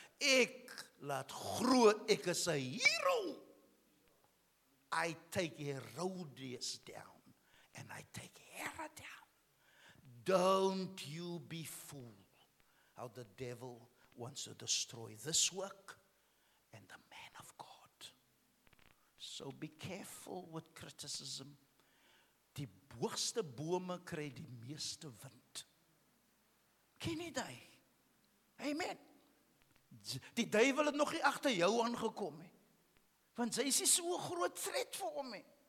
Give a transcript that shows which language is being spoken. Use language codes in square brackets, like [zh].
[af] Ek laat groot, ek is [en] a hero. I take Herodias down and I take Herod down. Don't you be fooled how the devil wants to destroy this work and the man of God. So be careful with criticism. [af] Die hoogste bome kry die meeste wind. Ken jy dit? Amen. Die duivel het nog nie agter jou aangekom nie. Want sy is nie so groot threat vir hom nie.